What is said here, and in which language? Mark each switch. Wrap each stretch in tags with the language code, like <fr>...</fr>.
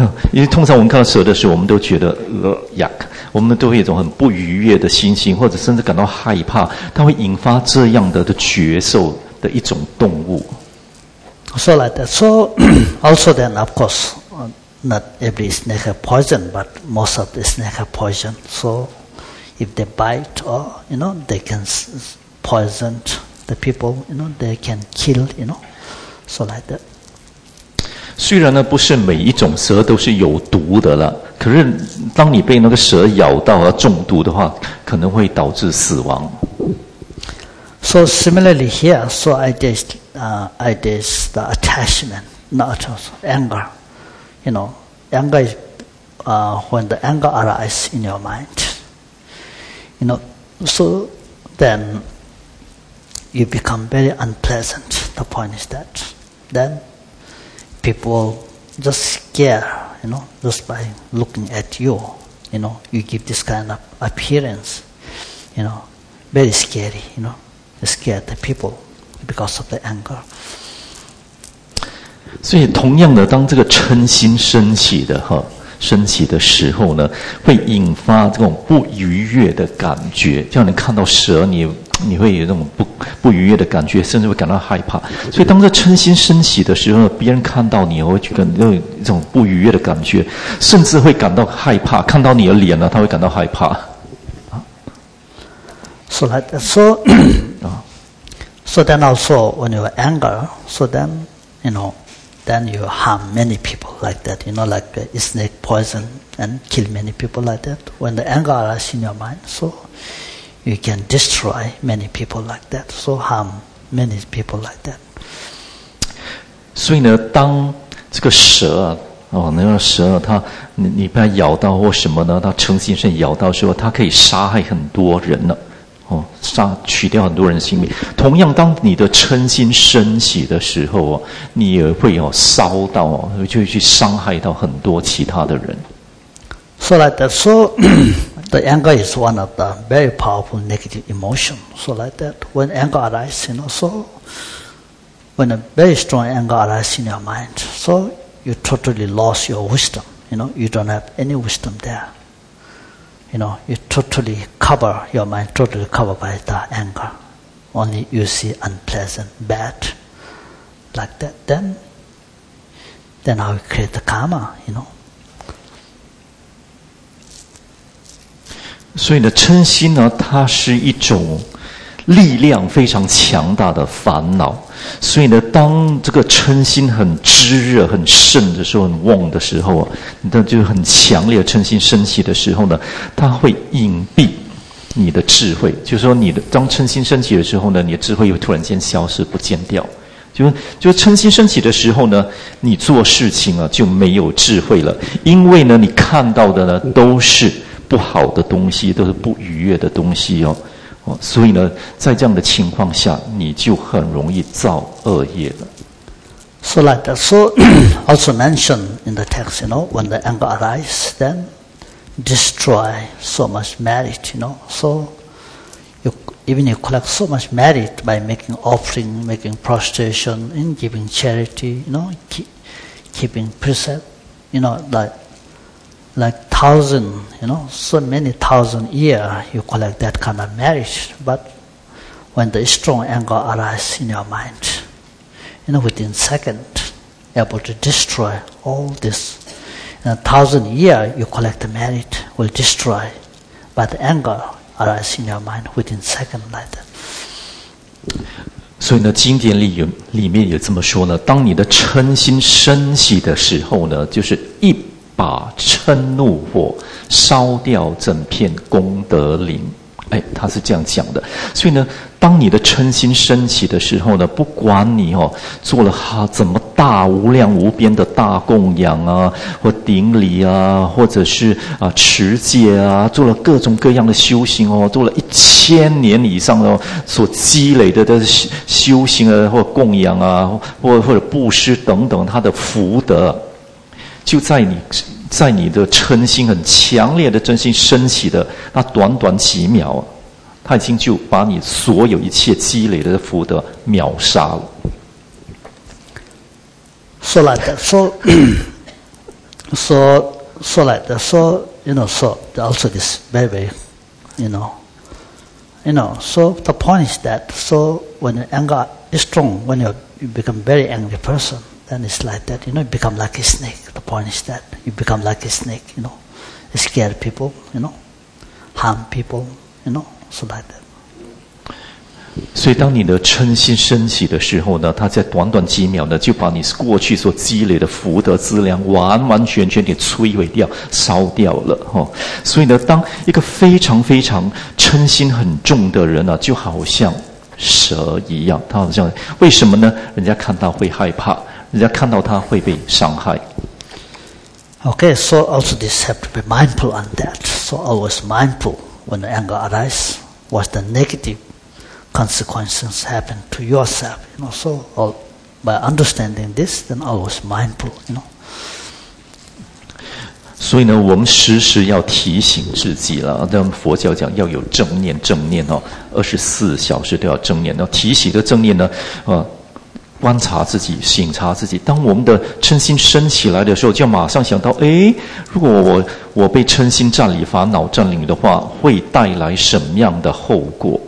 <zh>因为通常我们看到蛇的时候，我们都觉得痒，我们都会有一种很不愉悦的心情，或者甚至感到害怕，它会引发这样的觉受的一种动物。</zh> <en>So like that. So also then, of course, not every snake have poison, but most of the snake have poison. So. If they bite, or you know, they can poison the people. You know, they can kill. You know, so like that.</en> <zh>虽然呢，不是每一种蛇都是有毒的了，可是当你被那个蛇咬到而中毒的话，可能会导致死亡。</zh> <en>So similarly here, so ideas the attachment, not also anger. You know, anger is when the anger arises in your mind. You know, so then you become very unpleasant. The point is that then people just scare, you know, just by looking at you. You know, you give this kind of appearance, you know, very scary, you know, you scare the people because of the anger.</en> <zh>所以同样的，当这个嗔心升起的哈。升起的时候呢，会引发这种不愉悦的感觉。像你看到蛇，你会有那种不愉悦的感觉，甚至会感到害怕。所以，当这嗔心升起的时候，别人看到你，会觉得有一种不愉悦的感觉，甚至会感到害怕。看到你的脸呢，他会感到害怕。</zh> <en>So like that, so, so then also when you anger, so then you know. Then you harm many people like that, you know, like a snake poison and kill many people like that. When the anger arises in your mind, so you can destroy many people like that, so harm many people like that.</en> <zh>所以呢，当这个蛇啊，哦，那个蛇啊，它你被它咬到或什么呢？它诚心是咬到的时候，它可以杀害很多人呢。哦，取掉很多人性命。同样，当你的嗔心升起的时候，你也会有烧到，就会去伤害到很多其他的人。</zh> <en>So like that. So the anger is one of the very powerful negative emotion. So like that. When anger arises, you know, so when a very strong anger arises in your mind, so you totally lost your wisdom. You know, you don't have any wisdom there. You know, you totally cover your mind, totally covered by the anger. Only you see unpleasant, bad, like that. Then I will create the karma, you know.</en> <zh>所以呢，嗔心呢，它是一种力量非常强大的烦恼。所以呢，当这个嗔心很炽热、很盛的时候、很旺的时候啊，那就很强烈的嗔心升起的时候呢，它会隐蔽你的智慧。就是说，当嗔心升起的时候呢，你的智慧会突然间消失不见掉。就是嗔心升起的时候呢，你做事情啊就没有智慧了，因为呢，你看到的呢都是不好的东西，都是不愉悦的东西哦。所以呢，在这样的情况下，你就很容易造恶业了。</zh> <en>So like that. So also mentioned in the text, you know, when the anger arises, then destroy so much merit, you know. So you collect so much merit by making offering, making prostration, in giving charity, you know, keeping precept, you know, like thousand, you know, so many thousand years you collect that kind of marriage, but when the strong anger arises in your mind, you know, within second, able to destroy all this. In a thousand years you collect the merit will destroy, but the anger arises in your mind within second like that.</en> <zh>所以呢，经典里面也这么说呢。当你的嗔心升起的时候呢，就是一把嗔怒火烧掉整片功德林。哎，他是这样讲的。所以呢，当你的嗔心升起的时候呢，不管你哦做了哈怎么大无量无边的大供养啊，或顶礼啊，或者是啊持戒啊，做了各种各样的修行哦，做了一千年以上哦所积累的修行啊，或供养啊，或者布施等等，他的福德就在你的嗔心很强烈的嗔心升起的那短短几秒，他已经就把你所有一切积累的福德秒杀了。说来的说说来的说</zh> <en>you know, so also this very you know, so the point is that, so when your anger is strong, when you become very angry person,then it's like that, you know, you become like a snake. The point is that you become like a snake, you know. You scare people, you know. Harm people, you know. So like that.</en> <zh>所以当你的嗔心升起的时候呢，它在短短几秒呢，就把你过去所积累的福德资粮完完全全地摧毁掉，烧掉了。哦，所以呢，当一个非常非常嗔心很重的人呢，就好像蛇一样，他好像，为什么呢？人家看到会害怕。人家看到他会被伤害。</zh> <en>Okay, so also this have to be mindful on that. So always mindful when the anger arises, what the negative consequences happen to yourself. You know, so all, by understanding this, then always mindful. You know.</en> <zh>所以呢，我们时时要提醒自己了。那佛教讲要有正念，正念哦，24小时都要正念。那提醒的正念呢，观察自己，省察自己。当我们的嗔心升起来的时候，就要马上想到：哎，如果我被嗔心占理、烦恼占领的话，会带来什么样的后果？</zh>